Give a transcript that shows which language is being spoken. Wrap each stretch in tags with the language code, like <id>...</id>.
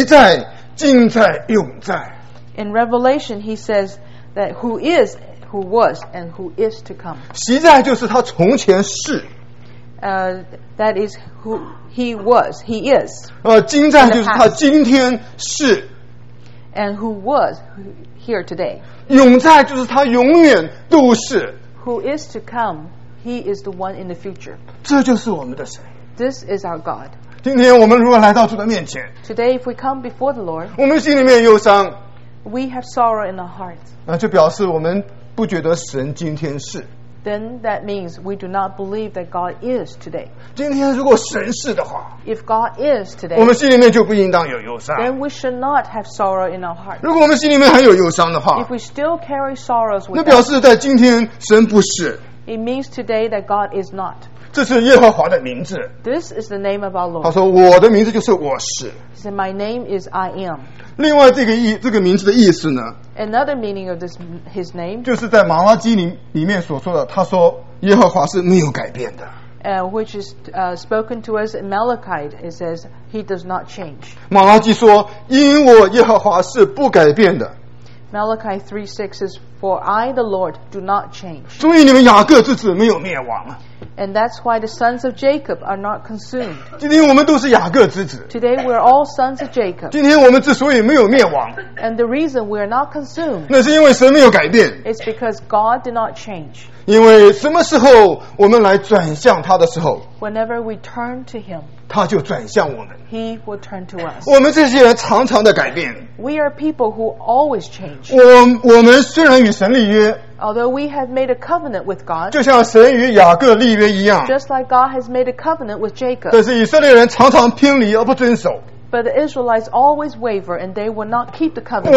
<zh>在启示录里面，他又翻成昔在、今在、永在。</zh> <en>In Revelation, he says that who is, who was, and who is to come.</en> <zh>昔在就是他从前是。</zh> <en>That is who he was, he is.</en> <zh>今在就是他今天是。</zh> <en>And who was here today.</en> <zh>永在就是他永远都是。</zh> <en>Who is to come, he is the one in the future.</en> <zh>这就是我们的神。</zh> <en>This is our God.</en> <zh>今天我们如何来到主的面前。</zh> <en>Today, if we come before the Lord,</en> <zh>我们心里面忧伤。</zh> <en>We have sorrow in our hearts.</en> <zh>就表示我们不觉得神今天是。</zh> <en>then that means we do not believe that God is today.</en> <zh>今天如果神是的话,</zh> <en>if God is today,</en> <zh>我们心里面就不应当有忧伤,</zh> <en>then we should not have sorrow in our heart.</en> <zh>如果我们心里面还有忧伤的话,</zh> <en>if we still carry sorrows with us,</en> <zh>那表示在今天神不是,</zh> <en>it means today that God is not.</en> <zh>这是耶和华的名字,</zh> <en>this is the name of our Lord.</en> <zh>他说我的名字就是我是,</zh> <en>he said my name is I am.</en> <zh>另外这个意,这个名字的意思呢,</zh> <en>another meaning of this, his name,</en> <zh>就是在马拉基里面所说的,他说耶和华是没有改变的。</zh> <en>Which is spoken to us in Malachi, it says, he does not change.</en> <zh>马拉基说,因我耶和华是不改变的。</zh> <en>Malachi 3:6 says, for I, the Lord, do not change.</en> <zh>所以你们雅各之子没有灭亡。</zh> <en>And that's why the sons of Jacob are not consumed.</en> <zh>今天我们都是雅各之子。</zh> <en>Today we're all sons of Jacob.</en> <zh>今天我们之所以没有灭亡。</zh> <en>And the reason we are not consumed.</en> <zh>那是因为神没有改变。</zh> <en>It's because God did not change.</en> <zh>因为什么时候我们来转向他的时候。</zh> <en>Whenever we turn to him.</en> <zh>他就转向我们。</zh> <en>He will turn to us.</en> <zh>我们这些人常常的改变。</zh> <en>We are people who always change.</en> <zh>我们虽然与神立约。</zh> <en>Although we have made a covenant with God,</en> <zh>就像神与雅各立约一样,</zh> <en>just like God has made a covenant with Jacob,</en> <zh>但是以色列人常常偏离而不遵守,</zh> <en>but the Israelites always waver and they will not keep the covenant.</en>